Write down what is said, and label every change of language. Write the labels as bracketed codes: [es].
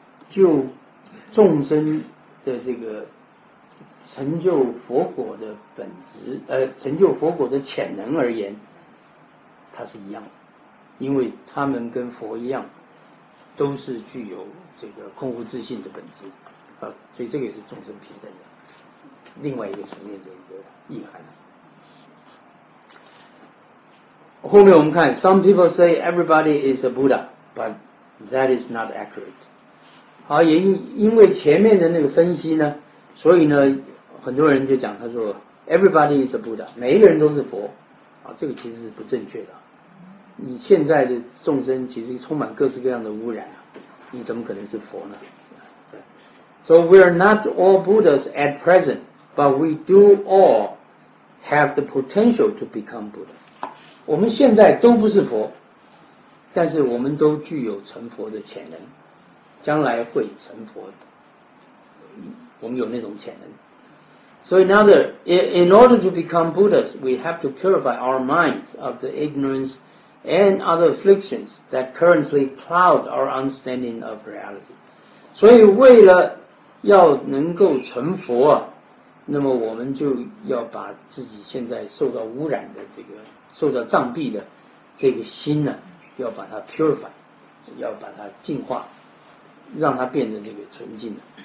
[zh] 就众生的这个成就佛果的本质成就佛果的潜能而言，它是一样的，因为他们跟佛一样都是具有这个空无自性的本质啊，所以这个也是众生平等的另外一个层面的一个意涵。后面我们看 [en] Some people say everybody is a Buddha, but that is not accurate. [zh] 好，也因为前面的那个分析呢，所以呢很多人就讲，他说 [en] everybody is a Buddha, [zh] 每一个人都是佛啊，这个其实是不正确的。你现在的众生其实充满各式各样的污染，你怎么可能是佛呢？ [en] So we are not all Buddhas at present, but we do all have the potential to become Buddha. 我们现在都不是佛，但是我们都具有成佛的潜能，将来会成佛，我们有那种潜能。 So in order to become Buddhas, we have to purify our minds of the ignorance and other afflictions that currently cloud our understanding of reality. [zh] 所以为了要能够成佛，那么我们就要把自己现在受到污染的这个受到障蔽的这个心呢，要把它 purify， 要把它净化，让它变得这个纯净的。